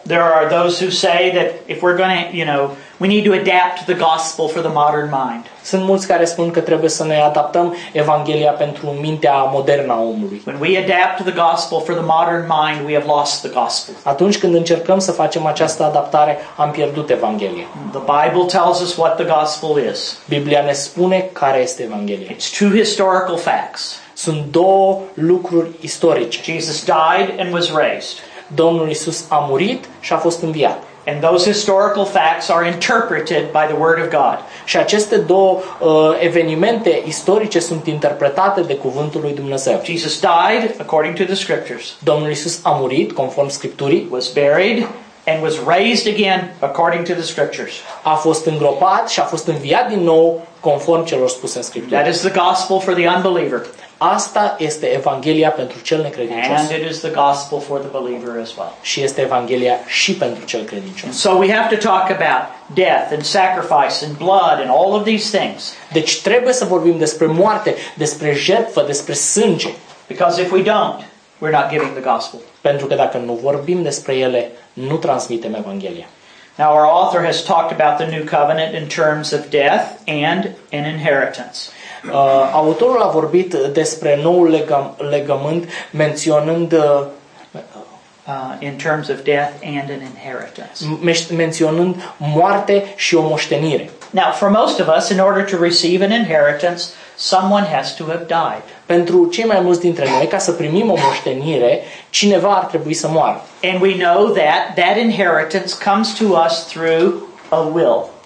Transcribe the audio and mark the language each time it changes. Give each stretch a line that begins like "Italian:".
English: There are those who say that if we're going to, you know, we need to adapt the gospel for the modern mind.
Romanian: Sunt mulți care spun că trebuie să ne adaptăm evanghelia pentru mintea modernă a omului.
English: When we adapt the gospel for the modern mind, we have lost the gospel.
Romanian: Atunci când încercăm să facem această adaptare, am pierdut evanghelia.
English: The Bible tells us what the gospel is.
Romanian: Biblia ne spune care este evanghelia.
English: It's two historical facts.
Romanian: Sunt două lucruri istorice.
English: Jesus died and was raised.
Romanian: Domnul Iisus a murit și a fost înviat.
English: And those historical facts are interpreted by the word of God.
Romanian: Și aceste două evenimente istorice sunt interpretate de cuvântul lui Dumnezeu.
English: Jesus died according to the scriptures.
Romanian: Domnul Iisus a murit conform scripturii.
English: Was buried and was raised again according to the scriptures.
Romanian: A fost îngropat și a fost înviat din nou conform celor spuse în scripturi.
English: That is the gospel for the unbeliever.
Romanian: Asta este evanghelia pentru cel necredincios.
English: And it is the gospel for the believer as well.
Romanian: Și este evanghelia și pentru cel credincios.
English: So we have to talk about death and sacrifice and blood and all of these things.
Romanian: Deci trebuie să vorbim despre moarte, despre jertfă, despre sânge.
English: Because if we don't, we're not giving the gospel.
Romanian: Pentru că dacă nu vorbim despre ele, nu transmitem evanghelia.
English: Now our author has talked about the new covenant in terms of death and an inheritance.
Romanian: Autorul a vorbit despre noul legământ menționând
English: in terms of death and an inheritance.
Romanian: Menționând moarte și o moștenire.
English: Now for most of us in order to receive an inheritance, someone has to have died.
Romanian: Pentru cei mai mulți dintre noi, ca să primim o moștenire, cineva ar trebui să moară.
English: And we know that that inheritance comes to us through a will.